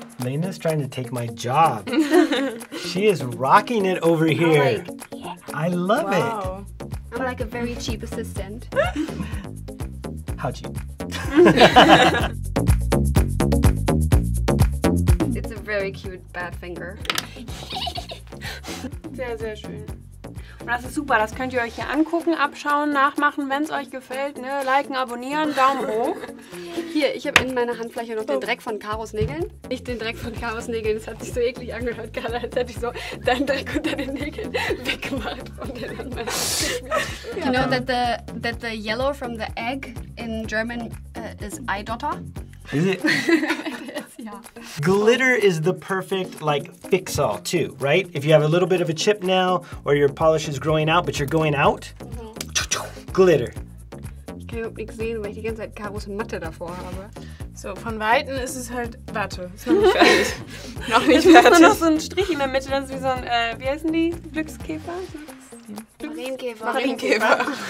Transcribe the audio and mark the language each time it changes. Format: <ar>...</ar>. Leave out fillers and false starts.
<en>Lena's trying to take my job. She is rocking it over here. I'm like, yeah. I love wow. it. I'm like a very cheap assistant. How cheap? It's a very cute bad finger.</en> <de>Sehr, sehr schön. Und das ist super, das könnt ihr euch hier angucken, abschauen, nachmachen, wenn es euch gefällt. Ne? Liken, abonnieren, Daumen hoch. Hier, ich habe in meiner Handfläche noch den Dreck von Karos Nägeln. Nicht den Dreck von Karos Nägeln, das hat sich so eklig angehört, gerade als hätte ich so deinen Dreck unter den Nägeln weggemacht. Und dann</de> <en>you know that the yellow from the egg in German is Eidotter? Is it? Yeah. Glitter is the perfect like fix-all too, right? If you have a little bit of a chip now or your polish is growing out, but you're going out, mm-hmm. Glitter.</en> <de>Ich kann überhaupt nichts sehen, weil ich die ganze Zeit Karos Matte davor habe. So, von Weitem ist es halt, warte, ist noch nicht fertig. Noch nicht fertig. Noch so ein Strich in der Mitte, das ist wie so ein, wie heißen die? Glückskäfer? Marienkäfer.</de>